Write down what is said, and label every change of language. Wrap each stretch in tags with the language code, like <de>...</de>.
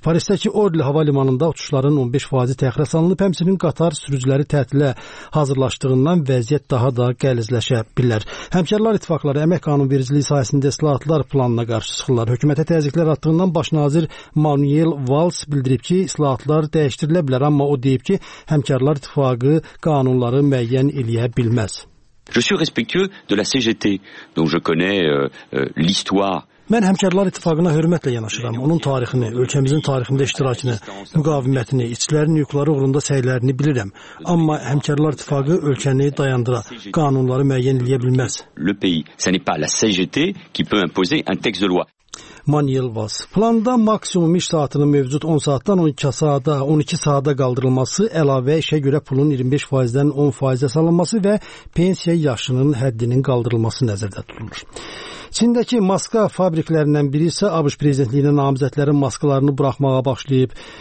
<az>Parisdəki Orly hava limanında uçuşların 15% təxirə salınıb, həmçinin qatar sürücüləri tətilə hazırlaşdığından vəziyyət daha da qəlizləşə bilər. Həmkarlar ittifaqları əmək qanunvericiliyi sayəsində islahatlar planına qarşı çıxırlar. Hökumətə təzyiqlər atdığından baş nazir Manuel Valls bildirib ki, islahatlar dəyişdirilə bilər, amma o deyib ki, həmkarlar ittifaqı qanunları müəyyən eləyə bilməz.</az> <fr>Je suis respectueux de la CGT, donc je connais l'histoire.</fr> <az>Mən həmkarlar ittifaqına hörmətlə yanaşıram. Onun tarixini, ölkəmizin tarixində iştirakını, müqavimətini, işçilərin hüquqları uğrunda səylərini bilirəm. Amma həmkarlar ittifaqı ölkəni dayandıra, qanunları müəyyən eləyə bilməz.</az> <fr>Le pays, ce n'est pas la CGT qui peut imposer un texte de loi.</fr> <az>Manuel Valls. Planda maksimum iş saatinin mövcud 10 saatdan 12 saata qaldırılması, əlavə işə görə pulun 25%-dən 10% salınması və pensiya yaşının həddinin qaldırılması nəzərdə tutulur. Çindəki maska fabriklərindən biri isə ABŞ prezidentliyinə namizədlərin maskalarını buraxmağa başlayıb.</az>